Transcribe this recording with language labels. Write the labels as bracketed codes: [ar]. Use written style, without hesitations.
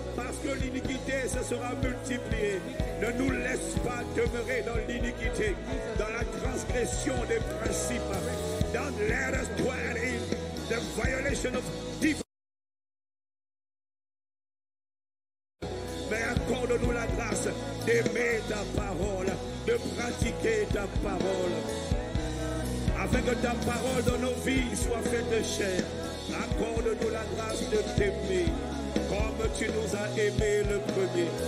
[fr] Parce que l'iniquité se sera multipliée. Ne nous laisse pas demeurer dans l'iniquité, dans la transgression des principes. [en] Don't let us dwell in the violation of divine. [fr] Mais accorde-nous la grâce d'aimer ta parole, de pratiquer ta parole. Afin que ta parole dans nos vies soit faite de chair. Accorde-nous la grâce de t'aimer comme tu nous as aimés le premier.